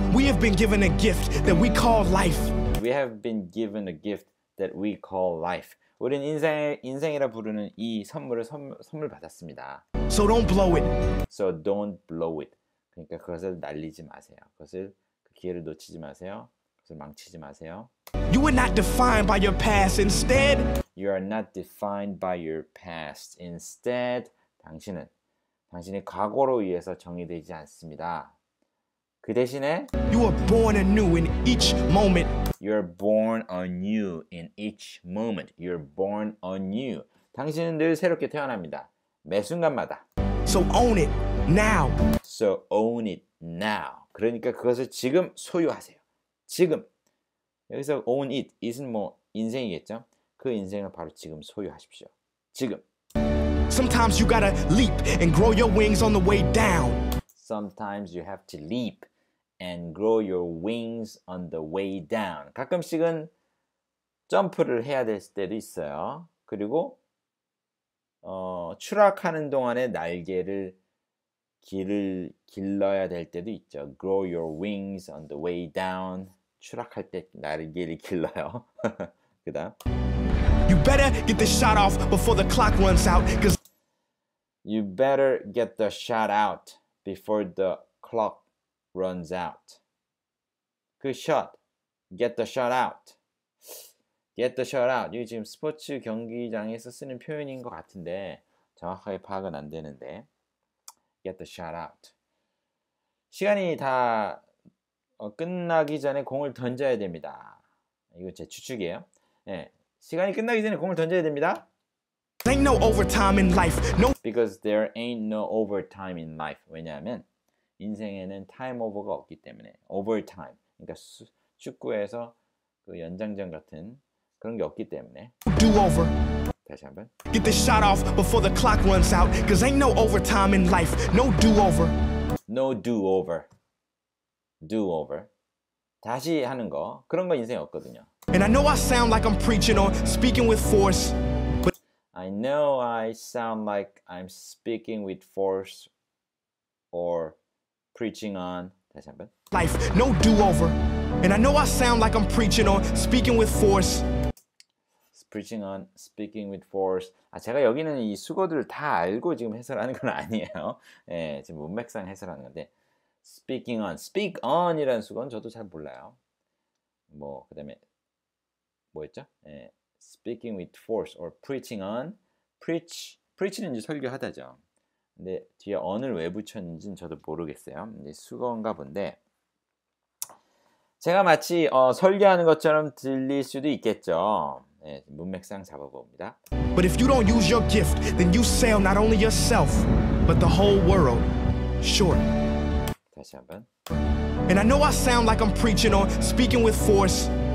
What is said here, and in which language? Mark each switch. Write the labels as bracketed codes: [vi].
[en] We have been given a gift that we call life. We have been given a gift that we call life. [ko] 우리는 인생이라 부르는 이 선물을 선물 받았습니다. [en] So don't blow it. So don't blow it. [ko] 그러니까 그것을 날리지 마세요. 그것을 그 기회를 놓치지 마세요. 그것을 망치지 마세요. [en] You are not defined by your past. Instead, you are not defined by your past. Instead, [ko] 당신은 당신의 과거로 의해서 정의되지 않습니다. 그 대신에 [en] You are born anew in each moment. You are born anew in each moment. You are born anew. [ko] 당신은 늘 새롭게 태어납니다. 매 순간마다. [en] So own it now. So own it now. [ko] 그러니까 그것을 지금 소유하세요. 지금. 여기서 [en] own it, [ko] it은 뭐 인생이겠죠? 그 인생을 바로 지금 소유하십시오. 지금. [en] Sometimes you gotta leap and grow your wings on the way down. Sometimes you have to leap and grow your wings on the way down. [ko] 가끔씩은 점프를 해야 될 때도 있어요. 그리고 추락하는 동안에 날개를 길러야 될 때도 있죠. [en] Grow your wings on the way down. [ko] 추락할 때 날개를 길러요. 그다음 [en] You better get the shot off before the clock runs out. You better get the shot out. Before the clock runs out. 그 shot. Get the shot out. Get the shot out. [ko] 이게 지금 스포츠 경기장에서 쓰는 표현인 것 같은데 정확하게 파악은 안 되는데 Get the shot out. 시간이 다 끝나기 전에 공을 던져야 됩니다. 이거 제 추측이에요. 네. 시간이 끝나기 전에 공을 던져야 됩니다. [en] Ain't no overtime in life. No. Because there ain't no overtime in life. [ko] 왜냐하면 인생에는 time over가 없기 때문에 [en] overtime. [ko] 그러니까 축구에서 그 연장전 같은 그런 게 없기 때문에. [en] Do over. [ko] 다시 한번. [en] Get the shot off before the clock runs out. Cause ain't no overtime in life. No do over. No do over. Do over. [ko] 다시 하는 거 그런 거 인생에 없거든요. [en] And I know I sound like I'm preaching or speaking with force. I know I sound like I'm speaking with force or preaching on [ko] 다시 한번 [en] Life, no do-over And I know I sound like I'm preaching on speaking with force Preaching on, speaking with force [ko] 아, 제가 여기는 이 수거들을 다 알고 지금 해설하는 건 아니에요 예, 지금 문맥상 해설하는 건데 Speaking on, speak on이라는 수거는 저도 잘 몰라요 뭐, 그 다음에 뭐였죠? 예. [en] Speaking with force or preaching on, [ko] preach, preach는 이제 설교하다죠. 근데 뒤에 on을 왜 붙였는지는 저도 모르겠어요. 이제 수건가 본데 제가 마치 설교하는 것처럼 들릴 수도 있겠죠. 네, 문맥상 잡아봅니다. [en] But if you don't use your gift, then you sell not only yourself but the whole world short. [ko] 다시 한번. [en] And I know I sound like I'm preaching or speaking with force.